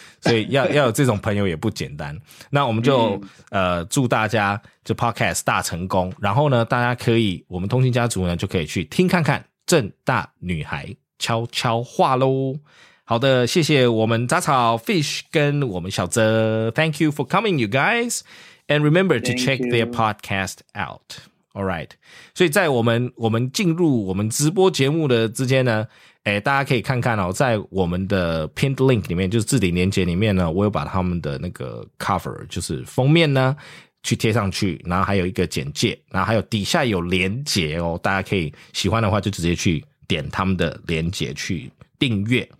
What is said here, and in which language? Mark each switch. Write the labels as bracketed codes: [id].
[zh] 所以要有这种朋友也不简单。那我们就祝大家就 podcast 大成功。然后呢，大家可以我们通勤家族呢就可以去听看看正大女孩悄悄话咯。好的，谢谢我们杂草 fish 跟我们小泽。 [en] Thank you for coming, you guys. And remember to check their podcast out. All right， [zh] 所以在我们进入我们直播节目的之间呢，欸，大家可以看看哦，在我们的 pinned link 里面，就是置顶连结里面呢，我有把他们的那个 cover， 就是封面呢，去贴上去，然后还有一个简介，然后还有底下有连结哦，大家可以喜欢的话就直接去点他们的连结去订阅。